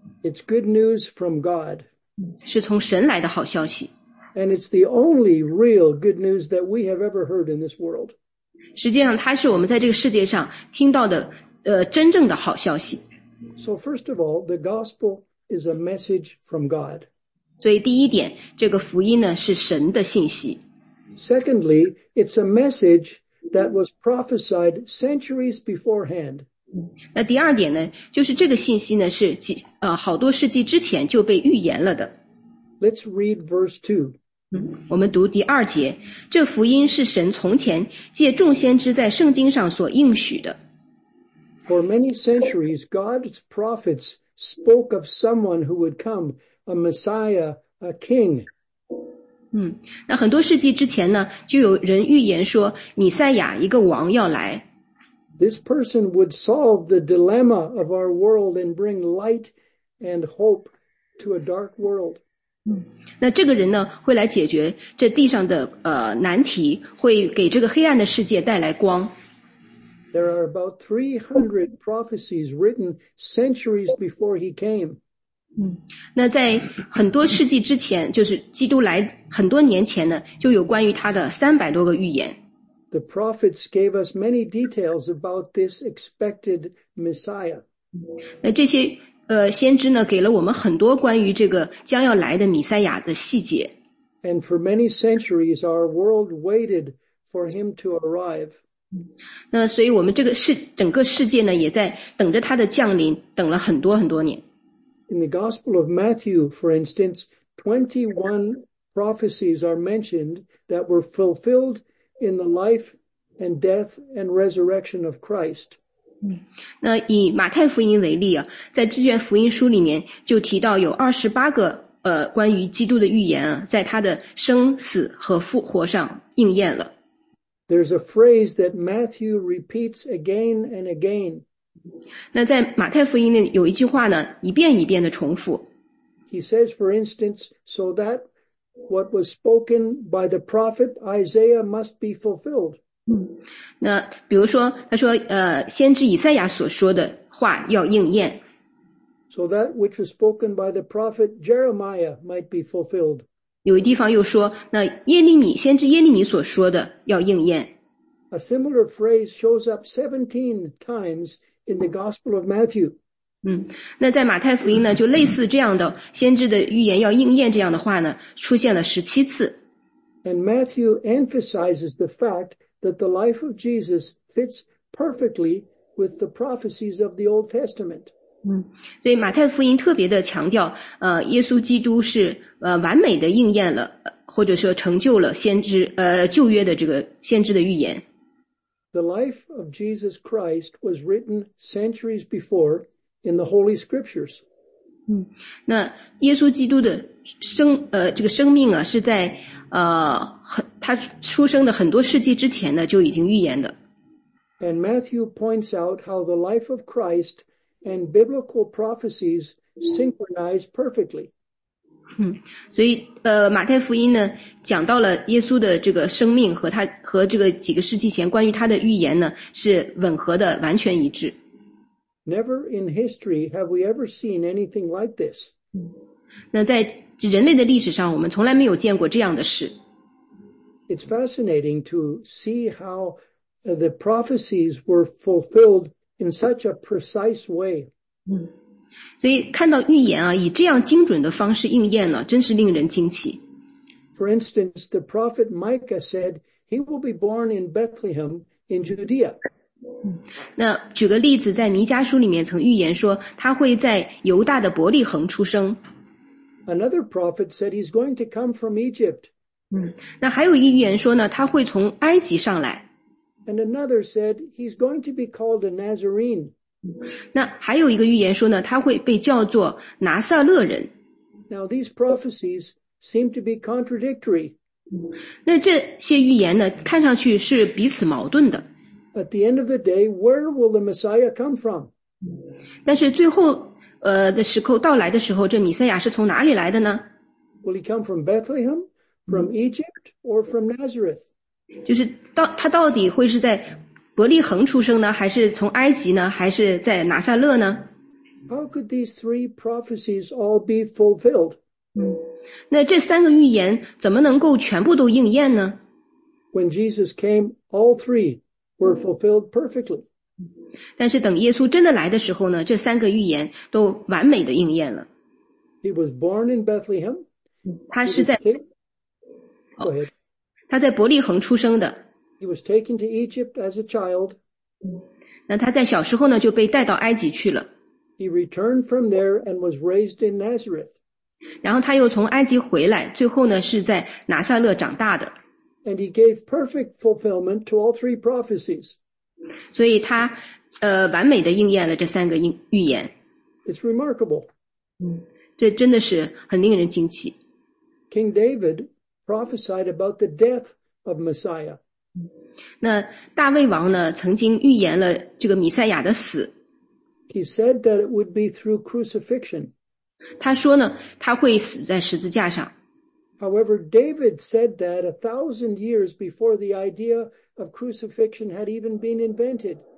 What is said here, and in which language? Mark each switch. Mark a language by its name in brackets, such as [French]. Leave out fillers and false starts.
[English] It's good news from God. [Chinese] 是从神来的好消息。 [English] And it's the only real good news that we have ever heard in this world. [Chinese] 实际上它是我们在这个世界上听到的真正的好消息。 [English] So first of all, the gospel is a message from God. [Chinese] 所以第一点，这个福音呢，是神的信息。 [English] Secondly, it's a message that was prophesied centuries beforehand. [Chinese] 那第二点呢，就是这个信息呢，是好多世纪之前就被预言了的。 [English] Let's read verse 2. [Chinese] 我们读第二节，这福音是神从前借众先知在圣经上所应许的。 [English] For many centuries, God's prophets spoke of someone who would come, a Messiah, a king. [Chinese] 那很多世纪之前呢，就有人预言说弥赛亚一个王要来。 [English] This person would solve the dilemma of our world and bring light and hope to a dark world. [Chinese] 那这个人呢，会来解决这地上的难题，会给这个黑暗的世界带来光。 [English] There are about 300 prophecies written centuries before he came. [Chinese] 那在很多世纪之前，就是基督来很多年前呢，就有关于他的300多个预言。 [English] The prophets gave us many details about this expected Messiah. [Chinese] 那这些先知呢，给了我们很多关于这个将要来的弥赛亚的细节。 [English] And for many centuries, our world waited for him to arrive. [Chinese] 那所以我们这个整个世界呢，也在等着他的降临，等了很多很多年。 [English] In the Gospel of Matthew, for instance, 21 prophecies are mentioned that were fulfilled in the life and death and resurrection of Christ. [Chinese] 那以马太福音为例啊，在这卷福音书里面就提到有28个关于基督的预言啊，在他的生死和复活上应验了。 [English] There's a phrase that Matthew repeats again and again. [Chinese] 那在马太福音里有一句话呢，一遍一遍的重复。 [English] He says, for instance, so that what was spoken by the prophet Isaiah must be fulfilled. [Chinese] 那比如说，他说，先知以赛亚所说的话要应验。 [English] So that which was spoken by the prophet Jeremiah might be fulfilled. [Chinese] 有一地方又说，那耶利米先知耶利米所说的要应验。 [English] A similar phrase shows up 17 times in the Gospel of Matthew. [Chinese] 那在马太福音呢，就类似这样的先知的预言要应验这样的话呢，出现了17次。 [English] And Matthew emphasizes the fact that the life of Jesus fits perfectly with the prophecies of the Old Testament. [Chinese] 所以马太福音特别的强调，耶稣基督是完美的应验了，或者说成就了先知旧约的这个先知的预言。 [English] The life of Jesus Christ was written centuries before in the Holy Scriptures. [Chinese] 那耶稣基督的这个生命啊，是在他出生的很多世纪之前呢，就已经预言的。 [English] And Matthew points out how the life of Christ and biblical prophecies synchronize perfectly. [Chinese] 所以马太福音呢，讲到了耶稣的这个生命和他和这个几个世纪前关于他的预言呢，是吻合的，完全一致。 [English] Never in history have we ever seen anything like this. [Chinese] 那在人类的历史上，我们从来没有见过这样的事。 [English] It's fascinating to see how the prophecies were fulfilled in such a precise way. [Chinese] 所以看到预言啊，以这样精准的方式应验了，真是令人惊奇。 [English] For instance, the prophet Micah said he will be born in Bethlehem in Judea. [Chinese] 那举个例子，在弥迦书里面曾预言说，他会在犹大的伯利恒出生。 [English] Another prophet said he's going to come from Egypt. [Chinese] 那还有一预言说呢，他会从埃及上来。 [English] And another said he's going to be called a Nazarene. [Chinese] 那还有一个预言说呢，他会被叫做拿撒勒人。 [English] Now these prophecies seem to be contradictory. [Chinese] 那这些预言呢，看上去是彼此矛盾的。 [English] At the end of the day, where will the Messiah come from? [Chinese] 但是最后的时候到来的时候，这弥赛亚是从哪里来的呢？ [English] Will he come from Bethlehem, from Egypt, or from Nazareth? [Chinese] 就是他到底会是在伯利恒出生呢，还是从埃及呢，还是在拿撒勒呢？ [English] How could these three prophecies all be fulfilled? [Chinese] 那这三个预言怎么能够全部都应验呢？ [English] When Jesus came, all three were fulfilled perfectly. [Chinese] 但是等耶稣真的来的时候呢，这三个预言都完美的应验了。 [English] He was born in Bethlehem. [Chinese] 他是在 [English] Go ahead. [Chinese] 他在伯利恒出生的。 [English] He was taken to Egypt as a child. [Chinese] 那他在小时候呢，就被带到埃及去了。 [English] He returned from there and was raised in Nazareth. [Chinese] 然后他又从埃及回来，最后呢是在拿撒勒长大的。 [English] And he gave perfect fulfillment to all three prophecies. [Chinese] 所以他完美的应验了这三个预言。 [English] It's remarkable. [Chinese] 这真的是很令人惊奇。 [English] King David prophesied about the death of Messiah. [Chinese] 那大卫王呢，曾经预言了这个弥赛亚的死。 [English] He said that it would be through crucifixion. [Chinese] 他说呢，他会死在十字架上。 [English] However, David said that 1,000 years before the idea of crucifixion had even been invented.